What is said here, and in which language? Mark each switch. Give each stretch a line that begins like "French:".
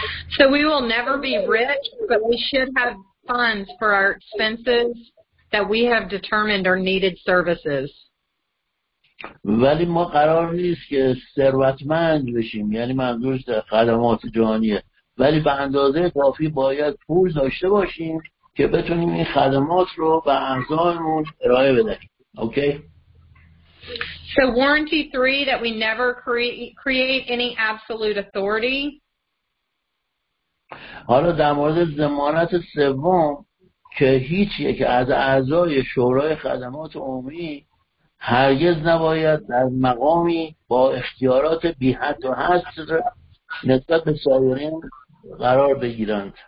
English: So we will never be rich, but we should have funds for our expenses that we have determined are needed services.
Persian: ولی ما قرار نیست که ثروتمند بشیم، یعنی منظور خدمات جهانیه، ولی به اندازه کافی باید پول داشته باشیم که بتونیم این خدمات رو به اعضایمون ارائه بدیم.
English: Okay? So warranty 3 that we never create any absolute authority.
Persian: حالا در مورد ضمانت سوم که هیچ یک از اعضای شورای خدمات عمومی هرگز نباید در مقامی با اختیارات بی حد و حصر نسبت به سایرین قرار بگیرند.